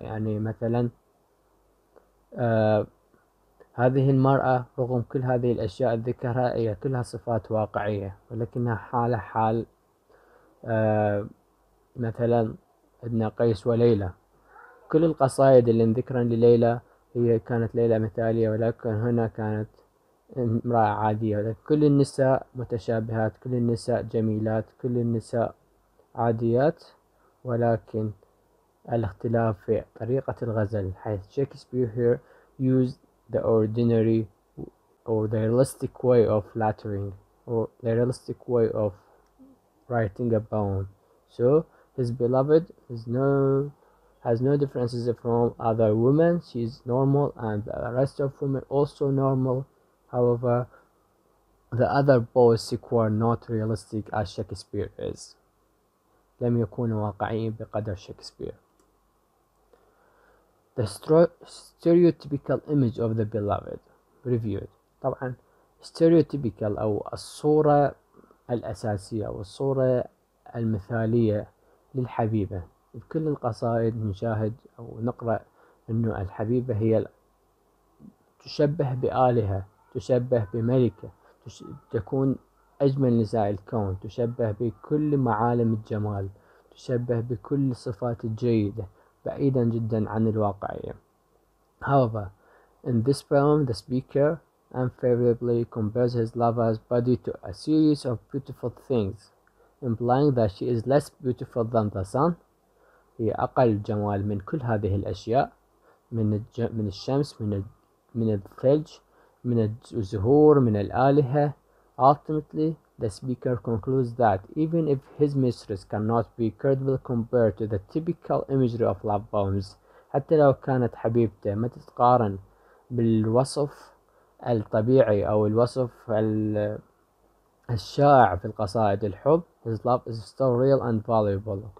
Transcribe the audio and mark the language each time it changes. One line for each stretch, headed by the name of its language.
Arabic: يعني مثلا هذه المرأة رغم كل هذه الأشياء ذكرها هي كلها صفات واقعية, ولكنها حالة حال مثلا ابن قيس وليلى. كل القصائد اللي ذكرها لليلى هي كانت ليلى مثالية, ولكن هنا كانت امرأة عادية. كل النساء متشابهات, كل النساء جميلات, كل النساء عاديات, ولكن الاختلاف في طريقة الغزل, حيث شكسبير
English: here used the ordinary or the realistic way of flattering or the realistic way of writing a poem. So his beloved has no differences from other women. She is normal and the rest of women also normal. However, the other poets were not realistic as Shakespeare is.
Arabic: لم يكونوا واقعيين بقدر شكسبير.
English: The stereotypical image of the beloved reviewed.
Arabic: طبعا stereotypical أو الصورة الأساسية أو الصورة المثالية للحبيبة. بكل القصائد نشاهد أو نقرأ أنه الحبيبة هي تشبه بآلهة, تشبه بملكة, تكون أجمل نساء الكون, تشبه بكل معالم الجمال, تشبه بكل صفات الجيدة, بعيدا جدا عن الواقعية.
English: However, in this poem, the speaker unfavorably compares his lover's body to a series of beautiful things, implying that she is less beautiful than the sun.
Arabic: هي أقل جمال من كل هذه الأشياء, من الشمس, من الثلج, من الزهور, من الآلهة.
English: Ultimately, the speaker concludes that even if his mistress cannot be credible compared to the typical imagery of love poems,
Arabic: حتى لو كانت حبيبته ما تتقارن بالوصف الطبيعي أو الوصف الشائع في القصائد الحب,
English: his love is still real and valuable.